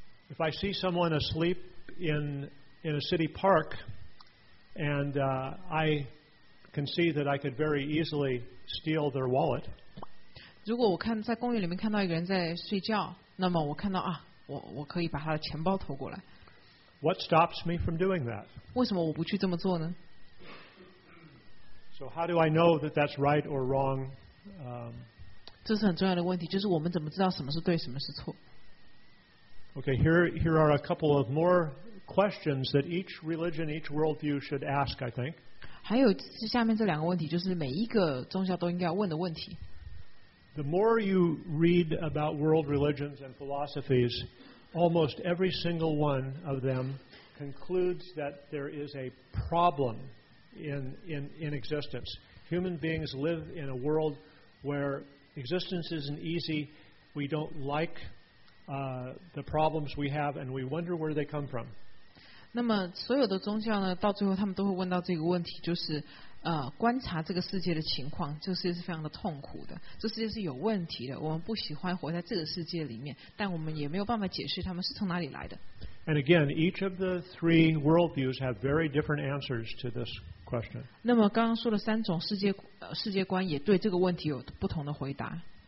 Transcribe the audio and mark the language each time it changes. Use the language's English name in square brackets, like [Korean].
[English] If I see someone asleep in a city park, and I can see that I could very easily steal their wallet. [Chinese] 如果我看在公园里面看到一个人在睡觉，那么我看到啊，我可以把他的钱包偷过来。 [English] What stops me from doing that? [Chinese] 为什么我不去这么做呢 [English] ？So how do I know that that's right or wrong? [Chinese] 这是很重要的问题，就是我们怎么知道什么是对，什么是错 [English] ？Okay, here are a couple of more questions that each religion, each worldview should ask. I think. [Chinese] 还有下面这两个问题，就是每一个宗教都应该要问的问题。 [English] The more you read about world religions and philosophies, almost every single one of them concludes that there is a problem in existence. Human beings live in a world where existence isn't easy. We don't like the problems we have, and we wonder where they come from. [Chinese] 那么所有的宗教呢，到最后他们都会问到这个问题，就是观察这个世界的情况，这个世界是非常的痛苦的，这世界是有问题的，我们不喜欢活在这个世界里面，但我们也没有办法解释他们是从哪里来的。 [English] And again, each of the three worldviews have very different answers to this question. [Chinese] 那么刚刚说的三种世界观也对这个问题有不同的回答。